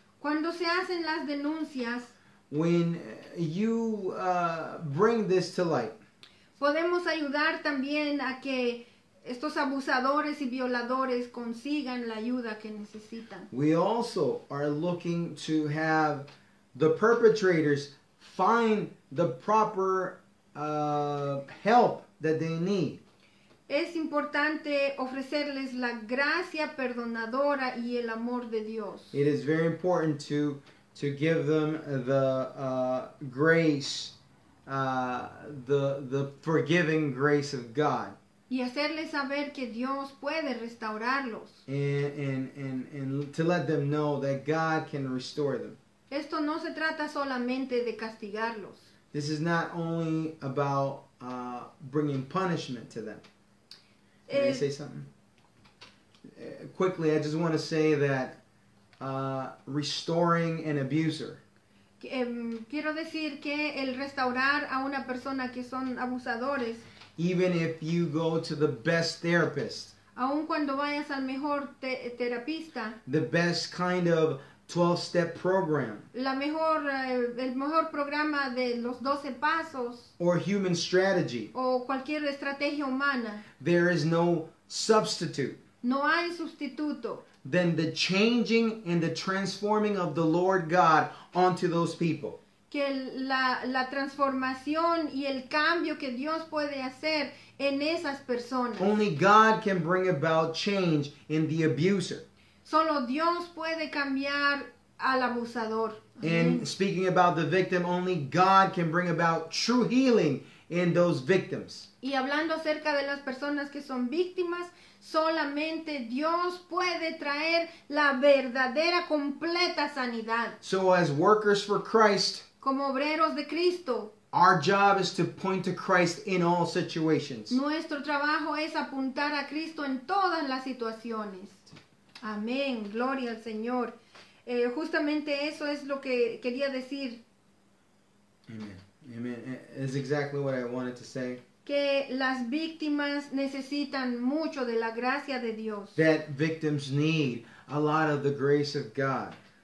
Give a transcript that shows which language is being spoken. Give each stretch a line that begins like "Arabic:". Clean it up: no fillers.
Spanish: Cuando se hacen las denuncias.
English: When you bring this to light.
Spanish: Podemos ayudar también a que estos abusadores y violadores consigan la ayuda que necesitan.
English: We also are looking to have the perpetrators find the proper help that they need.
Spanish: Es importante ofrecerles la gracia perdonadora y el amor de Dios.
English: It is very important to give them the grace, the forgiving grace of God.
Spanish: Y hacerles saber que Dios puede restaurarlos.
English: And to let them know that God can restore them.
Spanish: Esto no se trata solamente de castigarlos.
English: This is not only about bringing punishment to them. Can I say something? Quickly, I just want to say that restoring an abuser.
Spanish: Quiero decir que el restaurar a una persona que son abusadores.
English: Even if you go to the best therapist.
Spanish: Aun cuando vayas al mejor terapista.
English: The best kind of 12-step program.
Spanish: La mejor, el mejor programa de los 12 pasos.
English: Or human strategy.
Spanish: O cualquier estrategia humana.
English: There is no substitute.
Spanish: No hay sustituto.
English: Than the changing and the transforming of the Lord God onto those people.
Spanish: Que la transformación y el cambio que Dios puede hacer en esas personas.
English: Only God can bring about change in the abuser.
Spanish: Solo Dios puede cambiar al abusador.
English: And speaking about the victim, only God can bring about true healing in those victims.
Spanish: Y hablando acerca de las personas que son víctimas, solamente Dios puede traer la verdadera completa sanidad.
English: So as workers for Christ,
Spanish: como obreros de Cristo,
English: our job is to point to Christ in all situations.
Spanish: Nuestro trabajo es apuntar a Cristo en todas las situaciones. Amén. Gloria al Señor. Justamente eso es lo que quería decir.
English: Amen. Amen. It's exactly what I wanted to say.
Spanish: Que las víctimas necesitan mucho de la gracia de Dios.
English: That victims need a lot of the grace of God.